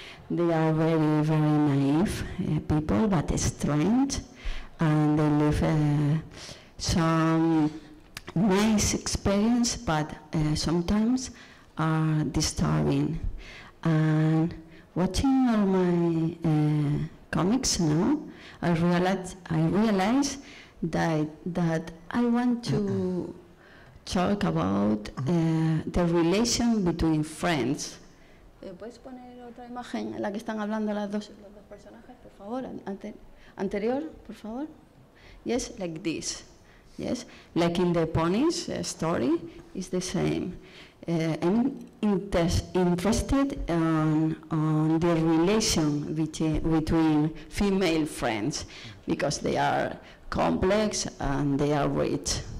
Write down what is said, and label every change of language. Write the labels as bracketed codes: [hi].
[en] They are very, very naive people, but strange, and they live some nice experience, but sometimes are disturbing. And watching all my comics now, I realize that I want to talk about the relation between friends. [es] ¿Puedes poner otra imagen en la que están hablando los dos personajes, por favor? Anterior, por favor. [en] Yes, like this. Yes, like in the ponies story, it's the same. I'm interested on the relation between female friends, because they are complex and they are rich.